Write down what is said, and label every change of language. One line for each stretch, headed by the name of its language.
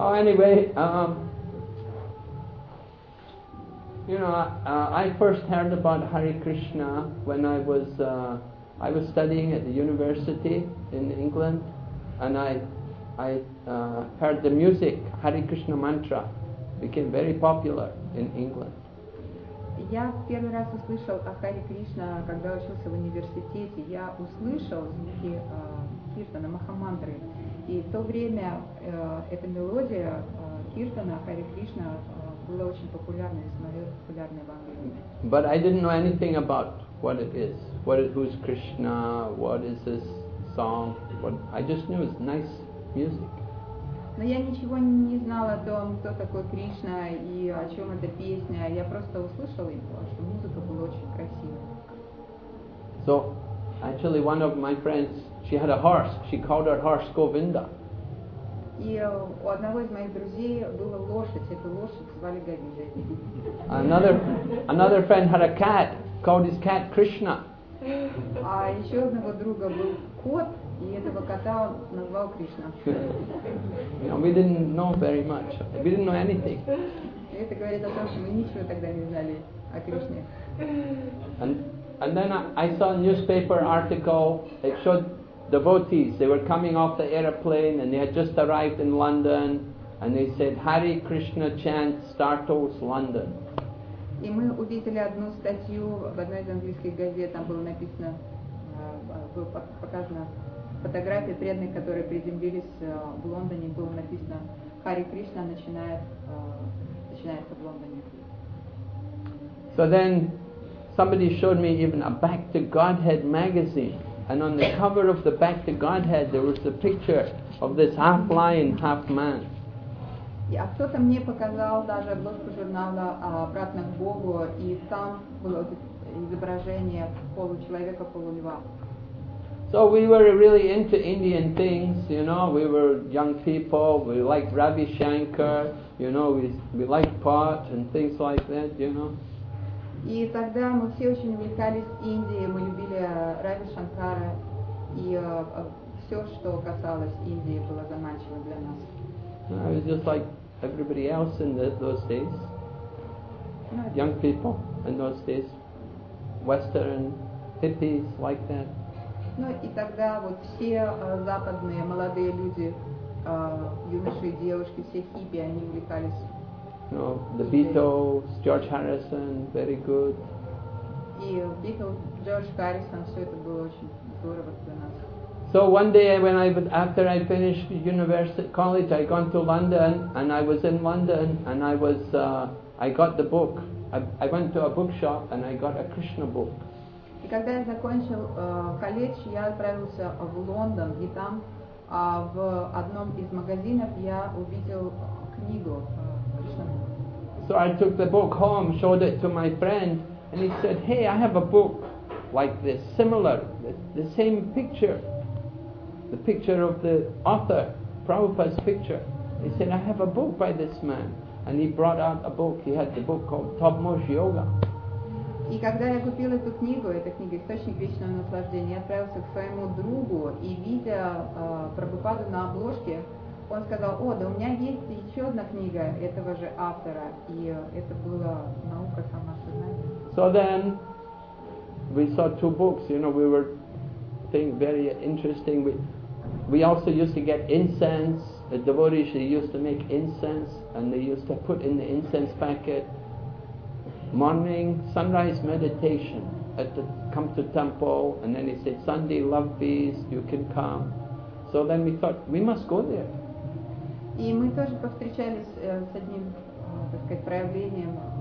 English: Oh, anyway, I first heard about Hare Krishna when I was studying at the university in England, and I heard the music Hare Krishna mantra became very popular in England.
Russian: Я в первый раз услышал о Харе Кришна, когда учился в университете. Я услышал звуки киртана, махамантры. И в то время эта мелодия киртана, Харе Кришна, была очень популярной, самая популярная в Англии.
English: But I didn't know anything about what it is. Who's Krishna, what is this song. I just knew it's nice music.
Russian: Но я ничего не знала о том, кто такой Кришна и о чем эта песня. Я просто услышала и поняла, что музыка была очень красивая.
English: So, actually, one of my friends, she had a horse. She called her horse Govinda.
Russian: И у одного из моих друзей была лошадь. Эту лошадь звали Говинда.
English: Another friend had a cat. Called his cat Krishna.
Russian: А еще одного друга был кот. И этого кота он назвал Кришна.
English: You know, we didn't know very much. We didn't know anything.
Russian: Это говорит о том, что мы ничего тогда не знали о Кришне.
English: And then I saw a newspaper article. It showed devotees. They were coming off the airplane and they had just arrived in London. And they said, Hare Krishna chant startles London.
Russian: И мы увидели одну статью в одной из английских газет. Там было написано, было показано фотографии преданных, которые приземлились в Лондоне, было написано «Харе Кришна начинается в Лондоне».
English: So then somebody showed me even a Back to Godhead magazine, and on the cover of the Back to Godhead there was a picture of this half lion, half man.
Russian: А кто-то мне показал даже обложку журнала «Обратно к Богу», и там было изображение получеловека, полулева.
English: So we were really into Indian things, you know. We were young people. We liked Ravi Shankar, you know. We liked pot and things like that, you know.
Russian: И тогда мы все очень увлекались Индией. Мы любили Рави Шанкара, и все, что касалось Индии, было заманчиво для нас.
English: I was just like everybody else in those days, young people in those days, Western hippies like that.
Russian: Ну и тогда вот все западные молодые люди, юноши и девушки, все хиппи, они увлекались.
English: No, the Beatles, George Harrison, very good.
Russian: И Beatles, George Harrison, все это было очень здорово для нас.
English: So one day when after I finished university college, I gone to London, and I was in London, and I got the book. I went to a bookshop and I got a Krishna book.
Russian: И когда я закончил колледж, я отправился в Лондон, и там в одном из магазинов я увидел книгу Кришна.
English: So I took the book home, showed it to my friend, and he said, "Hey, I have a book like this, similar, the same picture." The picture of the author, Prabhupada's picture. He said, "I have a book by this man," and he brought out a book. He had the book called Topmost Yoga.
Russian: И когда я купил эту книгу «Источник вечного наслаждения», я отправился к своему другу и видя Прабхупаду на обложке, он сказал: "О, да, у меня есть еще одна книга этого же автора." И это была наука самосознания.
English: So then we saw two books. You know, we were thing very interesting. We also used to get incense. The devotees, they used to make incense, and they used to put in the incense packet morning sunrise meditation at the come to temple, and then they said Sunday love feast, you can come. So then we thought we must go there.
Russian: И мы тоже повстречались с одним, так сказать, проявлением.